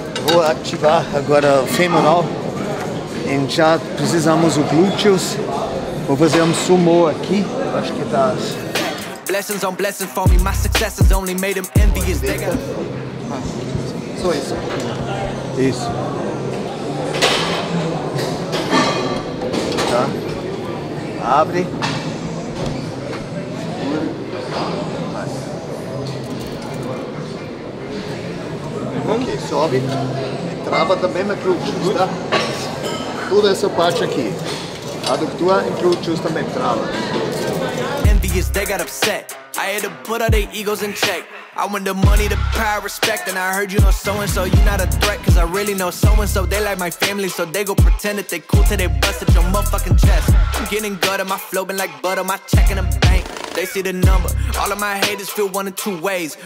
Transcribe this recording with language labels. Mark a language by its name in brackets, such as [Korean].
[Portuguese] Vou ativar agora o femoral. E já precisamos o glúteos. Vou fazer um sumô aqui. Acho que tá. [English] Blessings on blessings for me. My success has only made him envious. [Portuguese] Só isso. Isso. Abre. Sobe e trava também na cruz, tá? Toda essa parte aqui. A do que tu é, inclui o chus também, trava. [English] Envious, they got upset. I had to put all their egos in check. I want the money, the power, respect. And I heard you know so-and-so, you not a threat. Cause I really know so-and-so, they like my family. So they go pretend that they cool till they bust at your motherfucking chest. I'm getting gutted, my flow been like butter, my check in the bank. They see the number, all of my haters feel one of two ways.